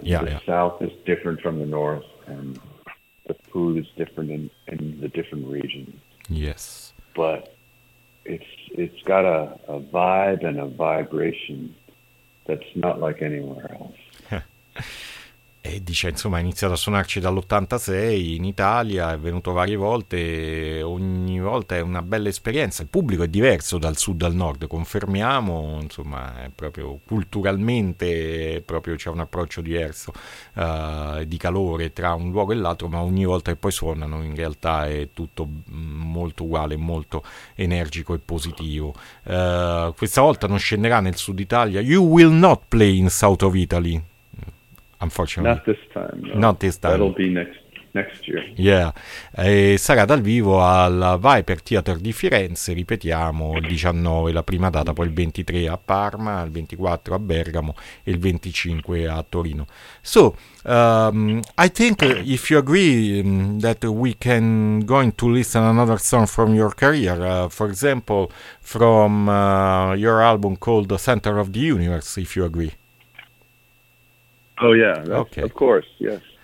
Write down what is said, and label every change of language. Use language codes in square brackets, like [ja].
[en] The south is different from the north, and the food is different in the different regions. Yes. But it's got a vibe and a vibration that's not like anywhere else. [it] E dice, insomma, ha iniziato a suonarci dall'86 in Italia, è venuto varie volte, ogni volta è una bella esperienza, il pubblico è diverso dal sud al nord, confermiamo, insomma, è proprio culturalmente proprio c'è un approccio diverso di calore tra un luogo e l'altro, ma ogni volta che poi suonano in realtà è tutto molto uguale, molto energico e positivo. Questa volta non scenderà nel sud Italia. [en] You will not play in south of Italy. Unfortunately. Not this time. No. Not this time. That'll be next year. Yeah. [it] Sarà dal vivo al Viper Theater di Firenze, ripetiamo, il 19 la prima data, poi il 23 a Parma, il 24 a Bergamo e il 25 a Torino. [en] So, I think if you agree that we can go to listen another song from your career, for example, from your album called The Center of the Universe, if you agree. Oh yeah, that's, okay. Of course, yes.